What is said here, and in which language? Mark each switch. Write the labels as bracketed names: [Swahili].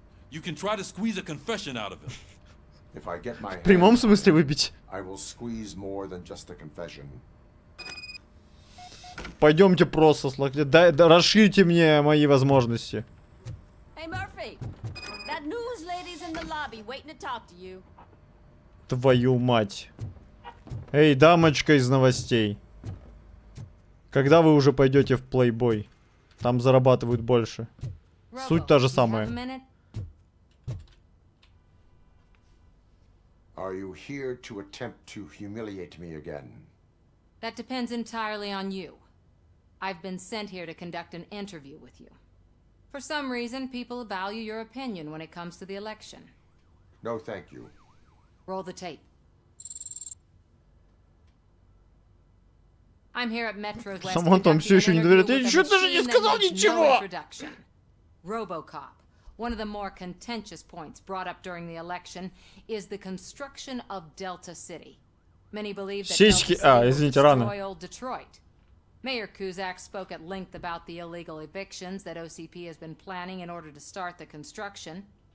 [English] You can try to squeeze a confession out of him. If I get my [Russian] В прямом смысле выбить. [English] I will squeeze more than just a confession. [Russian] Пойдемте просто, расширьте мне мои возможности. [English] Hey, Murphy! That news lady's in the lobby waiting to talk to you. [Russian] Твою мать. Эй, дамочка из новостей. Когда вы уже пойдете в Playboy? Там зарабатывают больше. [English] Robo, [Russian] суть та же самая. [English] Are you here to attempt to humiliate me again? That depends entirely on you. I've been sent here to conduct an interview with you. For some reason, people value your opinion when it comes to the election. No, thank you. Roll the tape. I'm here at Metro's West. Someone [Russian] там все еще не доверяет. Я еще даже не сказал ничего. [English] RoboCop. One of the more contentious points brought up during the election is the construction of Delta City. Many believe that Delta City will destroy old Detroit. Mayor Kuzak spoke at length about the illegal evictions that OCP has been planning in order to start the construction.